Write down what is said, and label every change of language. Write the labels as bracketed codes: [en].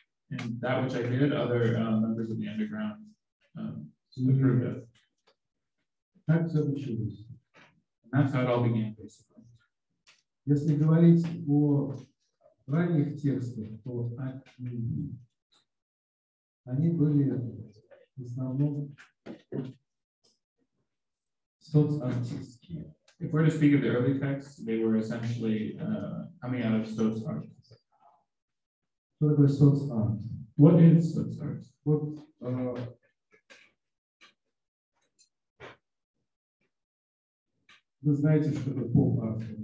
[en] And that which I did, other members of the underground approved of. [ru] Так все получилось. [en] And that's how it all began, basically. [ru] Если говорить о ранних текстах, то они Они были в основном соцартистские. [en] If we're to speak of the early texts, they were essentially coming out of соцарт. [ru] Что такое соцарт? [en] What is соцарт? [ru] Вот вы знаете, что это поп-арт.